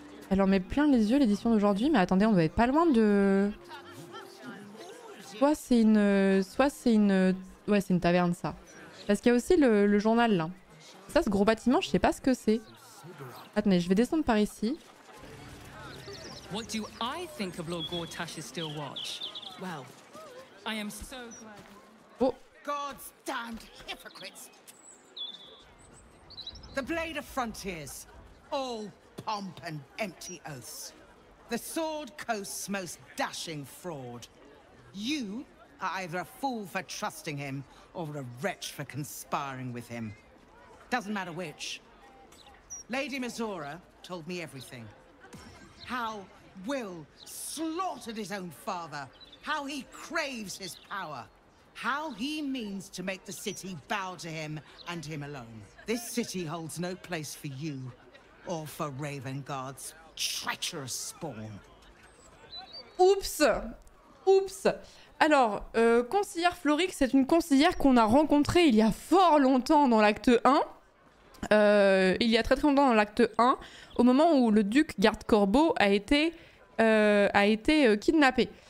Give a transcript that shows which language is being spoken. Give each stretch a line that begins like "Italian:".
French: Elle en met plein les yeux l'édition d'aujourd'hui, mais attendez, on doit être pas loin de... Soit c'est une... Ouais, c'est une taverne ça. Parce qu'il y a aussi le journal là. Ça, ce gros bâtiment, je sais pas ce que c'est. Attendez, je vais descendre par ici.
English: What do I think of Lord Gortash's still watch? Well, I am so glad. Oh. God's damned hypocrites! The Blade of Frontiers. All pomp and empty oaths. The Sword Coast's most dashing fraud. You are either a fool for trusting him or a wretch for conspiring with him. Doesn't matter which. Lady Mizora told me everything. How Will slaughtered his own father. How he craves his power. How he means to make the city bow to him and him alone. This city holds no place for you or for Ravengard's treacherous spawn.
French: Oups! Oups! Alors, conseillère Florix, c'est une conseillère qu'on a rencontrée il y a fort longtemps dans l'acte 1. Il y a très très longtemps dans l'acte 1, au moment où le duc garde-corbeau a été kidnappé.